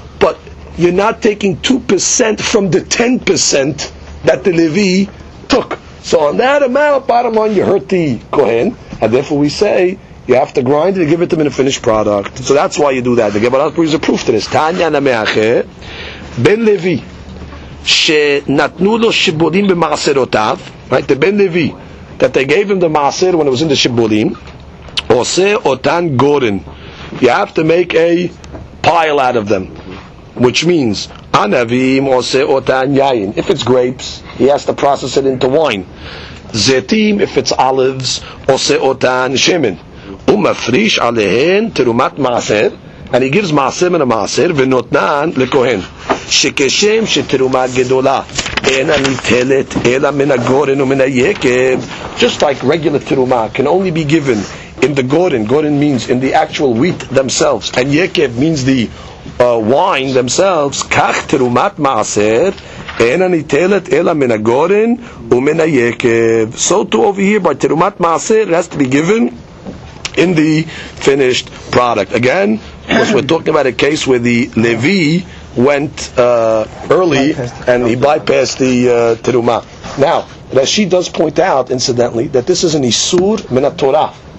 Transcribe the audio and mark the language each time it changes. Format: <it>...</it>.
<en>But you're not taking 2% from the 10% that the Levi took. So on that amount, bottom line, you hurt the Kohen. And therefore we say, you have to grind it and give it to him in a finished product. So that's why you do that. The Gemara brings a proof to this. Tanya Nameacher.</en> <he>Ben Levi, שנתנו לו שיבולים במעשרותיו, right?</he> <en>The Ben Levi, that they gave him the maser when it was in the שיבולים,</en> <he>עושה אותן גורן.</he> <en>You have to make a pile out of them, which means,</en> <he>ענבים עושה אותן יין.</he> <en>If it's grapes, he has to process it into wine.</en> <he>זיתים,</he> <en>if it's olives,</en> <he>עושה אותן שמן. ומפריש עליהן תרומת מעשר,</he> <en>and he gives maser min maser,</en> <he>ונותנן לכהן. שכשם שתרומה גדולה אינה ניטלת אלא מן הגורן ומן היקב,</he> <en>just like regular תרומה can only be given in the גורן, גורן means in the actual wheat themselves, and יקב means the wine themselves,</en> <he>כך תרומת מעשר אינה ניטלת אלא מן הגורן ומן היקב.</he> <en>So too over here, by תרומת מעשר has to be given in the finished product. Again, because we're talking about a case where the Levi went early and he bypassed the terumah. Now, Rashi does point out, incidentally, that this is an isur min haTorah.</en>